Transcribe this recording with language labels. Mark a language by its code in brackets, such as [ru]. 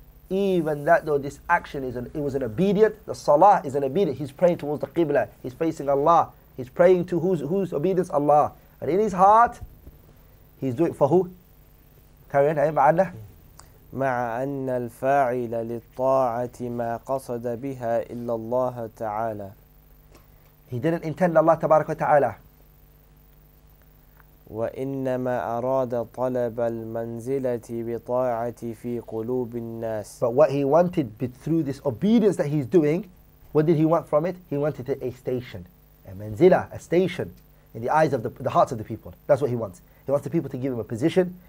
[en] It was an obedient, the salah is an obedient. He's praying towards the qibla. He's facing Allah. He's praying to whose obedience? Allah. And in his heart, he's doing for who? Carry on. [ar] مع أن الفاعل للطاعة ما قصد بها إلا الله تعالى. [en] He didn't intend Allah تبارك وتعالى. [ar] وإنما أراد طلب المنزلة بطاعة في قلوب الناس. [en] But what he wanted through this obedience that he's doing, what did he want from it? He wanted a station, a manzila, a station in the eyes of the hearts of the people. That's what he wants. He wants the people to give him a position.